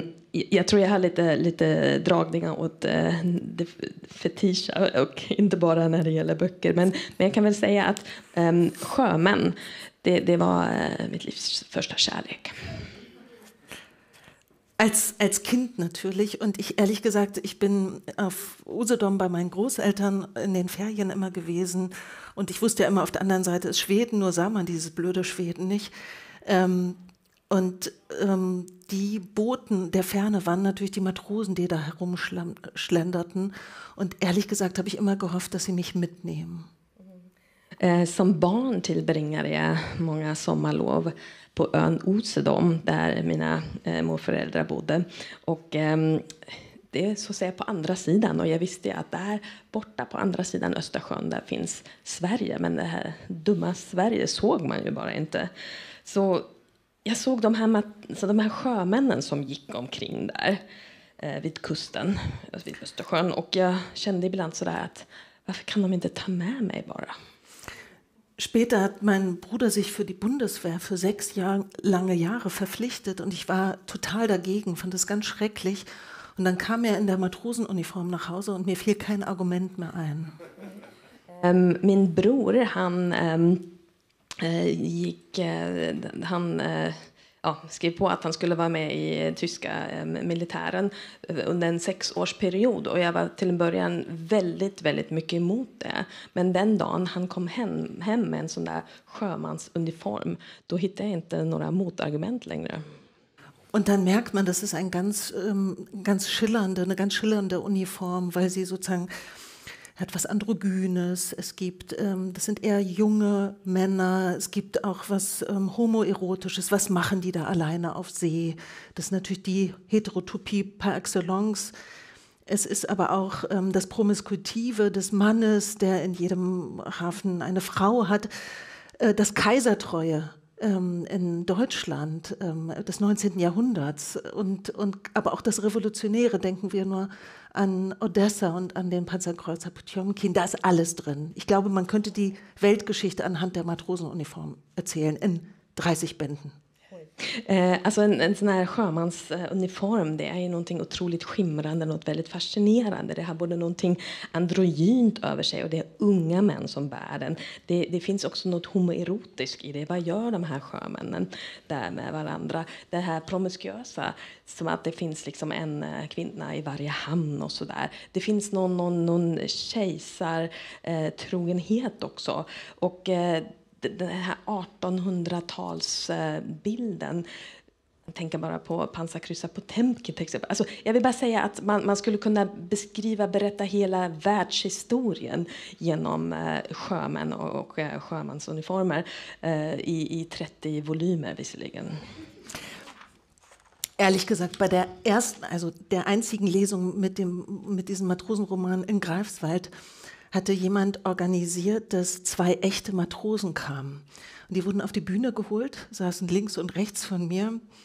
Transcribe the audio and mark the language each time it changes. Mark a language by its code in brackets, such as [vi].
[sv] Jag tror jag har lite dragningar åt fetischa och inte bara när det gäller böcker. Men jag kan väl säga att sjömän, det var mitt livs första kärlek. [de] Als Kind natürlich. Und ich, ehrlich gesagt, ich bin auf Usedom bei meinen Großeltern in den Ferien immer gewesen. Und ich wusste ja immer, auf der anderen Seite ist Schweden, nur sah man dieses blöde Schweden nicht. Die Boten der Ferne waren natürlich die Matrosen, die da herumschlenderten. Und ehrlich gesagt habe ich immer gehofft, dass sie mich mitnehmen. [sv] Som barn tillbringade jag många sommarlov på ön Usedom där mina morföräldrar bodde. Och det är så att säga på andra sidan. Och jag visste att där borta på andra sidan Östersjön där finns Sverige. Men det här dumma Sverige såg man ju bara inte. Så jag såg de här sjömännen som gick omkring där vid kusten, vid Östersjön. Och jag kände ibland sådär att varför kan de inte ta med mig bara? [de] Später hat mein Bruder sich für die Bundeswehr für 6 lange Jahre verpflichtet und ich war total dagegen, fand es ganz schrecklich. Und dann kam er in der Matrosenuniform nach Hause und mir fiel kein Argument mehr ein. [sv] Min bror, han skrev på att han skulle vara med i tyska militären under en 6-årsperiod. Och jag var till en början väldigt, väldigt mycket emot det. Men den dagen han kom hem med en sån där sjömansuniform, då hittade jag inte några motargument längre. Och då märkt man, att det är en [de] ganz schillernde uniform, weil sie sozusagen hat was Androgynes, es gibt, das sind eher junge Männer, es gibt auch was Homoerotisches, was machen die da alleine auf See? Das ist natürlich die Heterotopie par excellence. Es ist aber auch das Promiskuitive des Mannes, der in jedem Hafen eine Frau hat, das Kaisertreue in Deutschland des 19. Jahrhunderts und aber auch das Revolutionäre, denken wir nur an Odessa und an den Panzerkreuzer Potjomkin, da ist alles drin. Ich glaube, man könnte die Weltgeschichte anhand der Matrosenuniform erzählen in 30 Bänden. [sv] Alltså en sån här sjömansuniform, det är ju någonting otroligt skimrande, något väldigt fascinerande. Det har både någonting androgynt över sig och det är unga män som bär den. Det finns också något homoerotiskt i det. Vad gör de här sjömännen där med varandra? Det här promiskuösa, som att det finns liksom en kvinna i varje hamn och sådär. Det finns någon kejsartrogenhet också. Och den här 1800-talsbilden, tänker bara på pansarkryssar på Potemkin till exempel. Alltså, jag vill bara säga att man skulle kunna berätta hela världshistorien genom sjömän och sjömansuniformer i 30 volymer visserligen. [de] Ehrlich gesagt, bei der ersten, also der einzigen Lesung mit diesem Matrosenroman in Greifswald hatte jemand organisiert, dass 2 echte Matrosen kamen. Und die wurden auf die Bühne geholt, saßen links und rechts von mir.